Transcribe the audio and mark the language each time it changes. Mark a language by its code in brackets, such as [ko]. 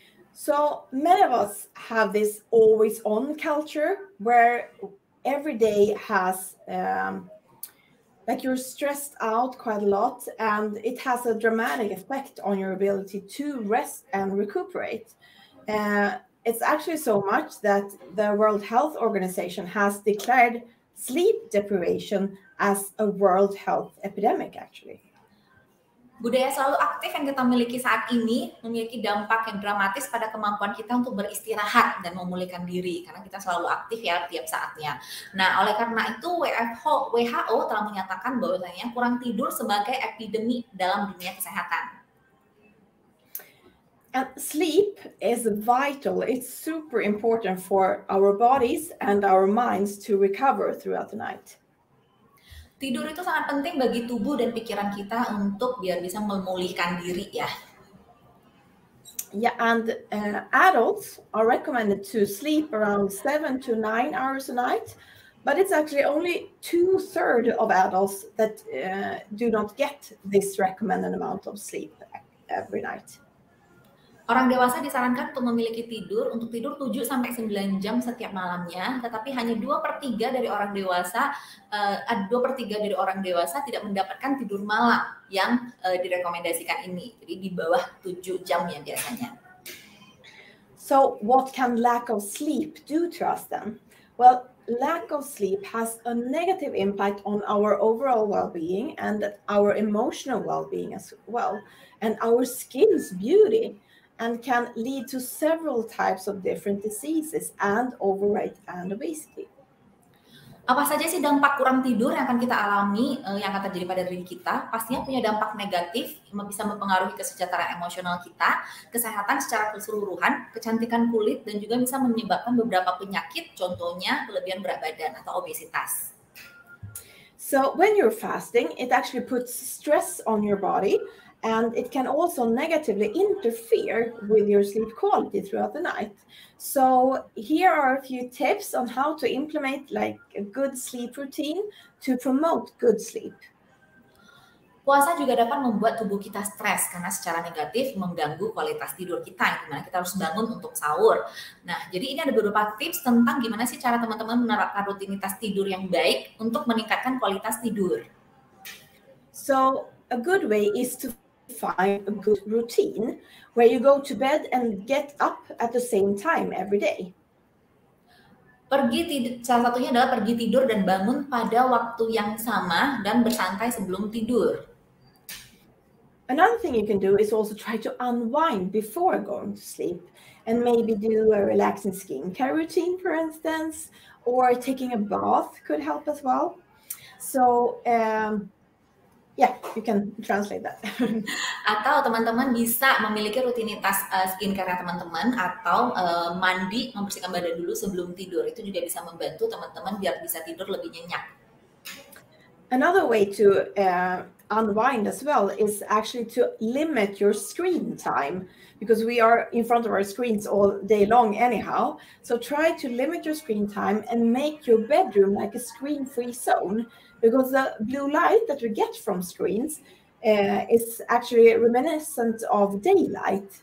[en] So, many of us have this always on culture where every day has like you're stressed out quite a lot and it has a dramatic effect on your ability to rest and recuperate. It's actually so much that the World Health Organization has declared sleep deprivation as a world health epidemic, actually. [id] Budaya selalu aktif yang kita miliki saat ini memiliki dampak yang dramatis pada kemampuan kita untuk beristirahat dan memulihkan diri karena kita selalu aktif ya tiap saatnya. Nah, oleh karena itu WHO telah menyatakan bahwasanya kurang tidur sebagai epidemi dalam dunia kesehatan. [en] And sleep is vital. It's super important for our bodies and our minds to recover throughout the night. [id] Tidur itu sangat penting bagi tubuh dan pikiran kita untuk biar bisa memulihkan diri ya. [en] Yeah, and adults are recommended to sleep around 7 to 9 hours a night, but it's actually only 2/3 of adults that do not get this recommended amount of sleep every night. [id] Orang dewasa disarankan untuk memiliki tidur, untuk tidur 7-9 jam setiap malamnya, tetapi hanya 2/3 dari orang dewasa, 2/3 dari orang dewasa tidak mendapatkan tidur malam yang direkomendasikan ini. Jadi di bawah 7 jam ya biasanya. [en] So what can lack of sleep do to us then? Well, lack of sleep has a negative impact on our overall well-being and our emotional well-being as well, and our skin's beauty. And can lead to several types of different diseases and overweight and obesity. [id] Apa saja sih dampak kurang tidur yang akan kita alami, yang akan terjadi pada diri kita? Pastinya punya dampak negatif, bisa mempengaruhi kesejahteraan emosional kita, kesehatan secara keseluruhan, kecantikan kulit, dan juga bisa menyebabkan beberapa penyakit, contohnya kelebihan berat badan atau obesitas. [en] So when you're fasting, it actually puts stress on your body. And it can also negatively interfere with your sleep quality throughout the night. So here are a few tips on how to implement like a good sleep routine to promote good sleep. [id] Puasa juga dapat membuat tubuh kita stres karena secara negatif mengganggu kualitas tidur kita, dimana kita harus bangun untuk sahur. Nah, jadi ini ada beberapa tips tentang gimana sih cara teman-teman menerapkan rutinitas tidur yang baik untuk meningkatkan kualitas tidur. [en] So a good way is to find a good routine where you go to bed and get up at the same time every day. [id] Salah satunya adalah pergi tidur dan bangun pada waktu yang sama dan bersantai sebelum tidur. [en] Another thing you can do is also try to unwind before going to sleep and maybe do a relaxing skincare routine, for instance, or taking a bath could help as well. So, yeah, you can translate that. [id] Atau teman-teman bisa memiliki rutinitas skincare teman-teman atau mandi, membersihkan badan dulu sebelum tidur. Itu juga bisa membantu teman-teman biar bisa tidur lebih nyenyak. [en] Another way to unwind as well is actually to limit your screen time, because we are in front of our screens all day long anyhow. So try to limit your screen time and make your bedroom like a screen-free zone, because the blue light that we get from screens is actually reminiscent of daylight.